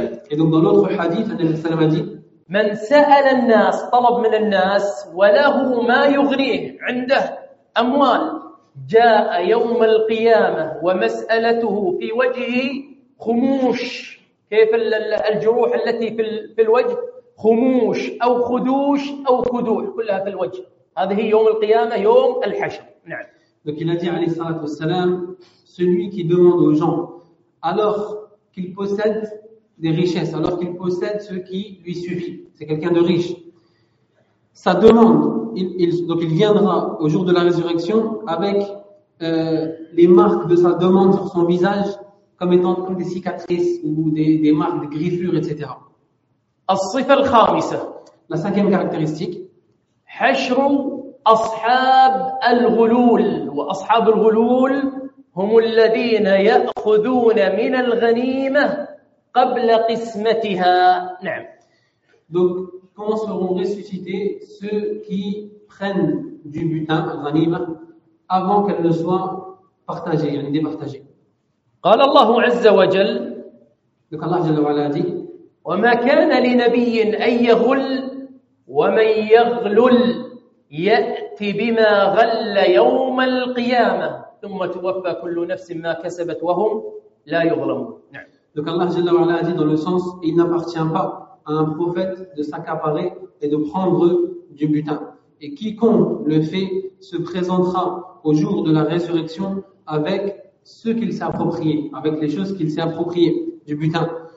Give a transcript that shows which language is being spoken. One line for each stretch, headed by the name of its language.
French: Et donc dans l'autre hadith, le Prophète a dit:
Arabic: من سأل الناس طلب من الناس وله ما يغريه عنده أموال جاء يوم القيامة ومسألته في وجهه خموش كيف الجروح التي في الوجه خموش أو خدوش أو خدوع كلها في الوجه هذه يوم القيامة يوم الحشر نعم.
French: Donc il a dit
Arabic: عليه الصلاة والسلام:
French: celui qui demande aux gens alors qu'il possède des richesses, alors qu'il possède ce qui lui suffit, c'est quelqu'un de riche, sa demande, il viendra au jour de la résurrection avec les marques de sa demande sur son visage comme étant comme des cicatrices ou des marques de griffures, etc.
Arabic: الصفة الخامسة.
French: La cinquième caractéristique.
Arabic: حشر أصحاب الغلول وأصحاب الغلول هم الذين يأخذون من الغنيمة قبل قسمتها. نعم.
French: Donc comment seront ressuscités ceux qui prennent du butin, الغنيمة, avant qu'elle ne soit partagée,
Arabic: يعني
French: départagée.
Arabic: قال الله عز وجل.
French: Donc Allah
Arabic: جل وعلا
French: dit:
Arabic: وما كان لنبي أن يغل ومن يغلل يأتي بما غل يوم القيامة ثم توفى كل نفس ما كسبت وهم لا يظلمون.
French: Donc Allah
Arabic: جل وعلا
French: dit dans le sens: il n'appartient pas à un prophète de s'accaparer et de prendre du butin. Et quiconque le fait se présentera au jour de la résurrection avec ce qu'il s'est approprié, avec les choses qu'il s'est approprié du butin.